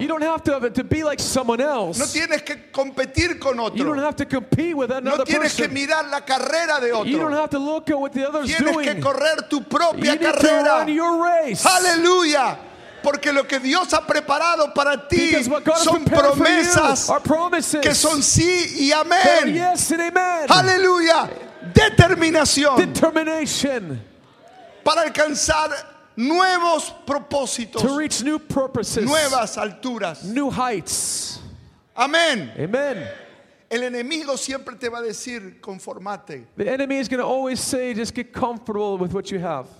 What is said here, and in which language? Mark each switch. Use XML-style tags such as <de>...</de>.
<en>You don't have to be like someone else.</en> <es>No tienes que competir con otro.</es> <en>You don't have to compete with another person.</en> <es>tienes que mirar la carrera de otro.</es> <en>You don't have to look at what the other's doing.</en> <es>Tienes que correr tu propia carrera.</es> <en>You need to run your race. Hallelujah.</en> <es>Porque lo que Dios ha preparado para ti son promesas que son sí y amén.</es> <en>Yes and amen.</en> <es>Hallelujah. Determinación.</es> <en>Determination.</en> <es>Para alcanzar nuevos propósitos.</es> <en>To reach new purposes.</en> <es>Nuevas alturas.</es> <en>New heights.</en> <es>Amén.</es> <en>Amen.</en> <es>El enemigo siempre te va a decir, conformate.</es> <en>The enemy is going to always say, just get comfortable with what you have.</en>